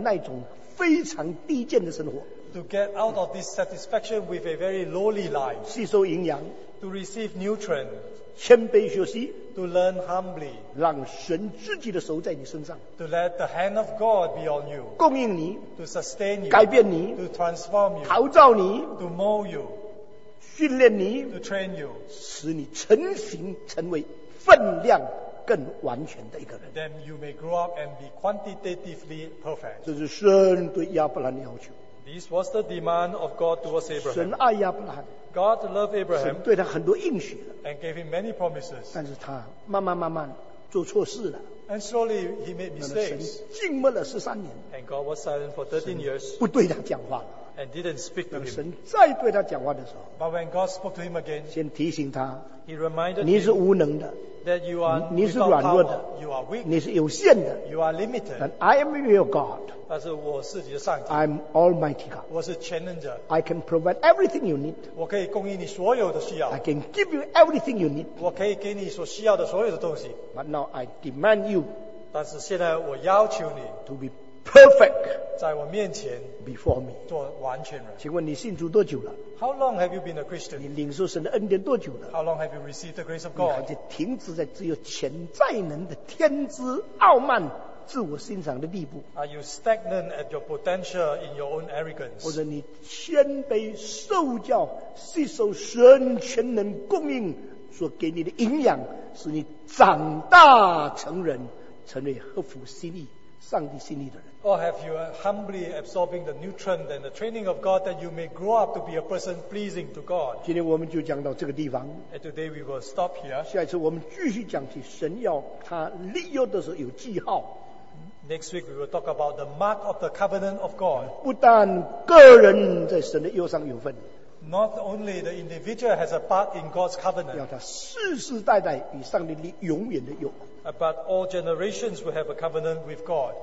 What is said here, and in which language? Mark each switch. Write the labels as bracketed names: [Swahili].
[Chinese] 脱离你满足你婴孩阶段的那种非常低贱的生活。 [English] To get out of this satisfaction with a very lowly life. [Chinese] 吸收营养。 [English] To receive nutrients. [Chinese] 谦卑学习, [English] to learn humbly, [Chinese] 让神自己的手在你身上, [English] to let the hand of God be on you, [Chinese] 供应你, [English] to sustain you, [Chinese] 改变你, [English] to transform you, [Chinese] 陶造你, [English] to mold you, [Chinese] 训练你, [English] to train you, [Chinese] 使你成型成为分量更完全的一个人, [English] then you may grow up and be quantitatively perfect. [Chinese] 这是神对亚伯兰的要求。 [English] This was the demand of God towards Abraham. [Chinese] 神爱亚伯兰。 [English] God loved Abraham [Chinese] 神对他很多应许, [English] and gave him many promises. [Chinese] 但是他慢慢做错事了, [English] and slowly he made mistakes. [Chinese] 神静默了13年, [English] and God was silent for 13 years. [Chinese] 不对他讲话了, [English] and didn't speak to him. [Chinese] 神再对他讲话的时候, [English] but when God spoke to him again, [Chinese] 先提醒他, [English] he reminded [Chinese] 你是无能的, [English] him that you are [Chinese] 你是软弱的, [English] you are weak, [Chinese] 你是有限的, [English] you are limited. And I am your God. I'm Almighty God. [Chinese] 我是全能者, [English] I can provide everything you need. [Chinese] 我可以供应你所有的需要, [English] I can give you everything you need. [Chinese] 我可以给你所需要的所有的东西, [English] but now I demand you, [Chinese] 但是现在我要求你, [English] to be perfect [Chinese] 在我面前, [English] before me. [Chinese] 做完全人。请问你信主多久了? [English] How long have you been a Christian? [Chinese] 你领受神的恩典多久了? [English] How long have you received the grace of God? [Chinese] 你还在停止在只有潜在能的天资傲慢, 自我欣赏的地步, [English] are you stagnant at your potential in your own arrogance? [Chinese] 或者你谦卑受教, 吸收神全能供应, 所给你的营养, 使你长大成人, 成为合乎心意, 上帝心意的人。 [English] Or have you humbly absorbing the nutrient and the training of God that you may grow up to be a person pleasing to God? [Chinese] 今天我们就讲到这个地方。 [English] And today we will stop here. [Chinese] 下一次我们继续讲起神要他立约的时候有记号。 [English] Next week we will talk about the mark of the covenant of God. [Chinese] 不但个人在神的右上有份, [English] not only the individual has a part in God's covenant, [Chinese] 要他世世代代与上帝立永远的约, [English] but all generations will have a covenant with God.